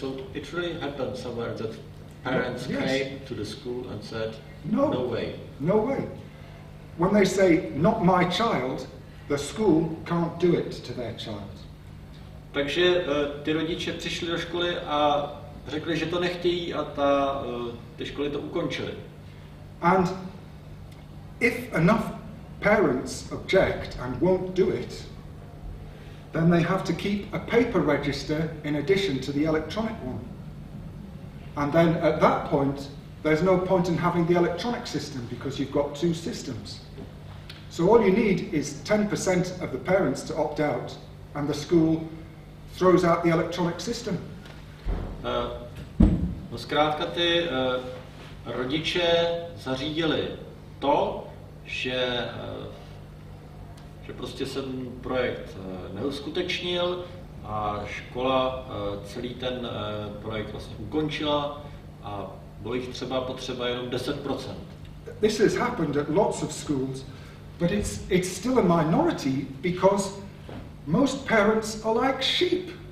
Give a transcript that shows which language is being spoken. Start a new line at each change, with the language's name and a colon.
English: So it really happened somewhere that parents came to the school and said, no way. When they say, not my child, the school can't do it to their child.
Czech: Takže ty rodiče přišli do školy a řekli, že to nechtějí a ty školy to ukončily.
English: And if enough parents object and won't do it, then they have to keep a paper register in addition to the electronic one. And then at that point, there's no point in having the electronic system because you've got two systems. So all you need is 10% of the parents to opt out and the school throws out the electronic system.
Czech: No zkrátka ty rodiče zařídili to, že prostě se ten projekt neuskutečnil a škola celý ten projekt vlastně ukončila a bylo jich třeba potřeba jenom 10%.
English: This has happened at lots of schools, but it's still a minority because most parents are like sheep.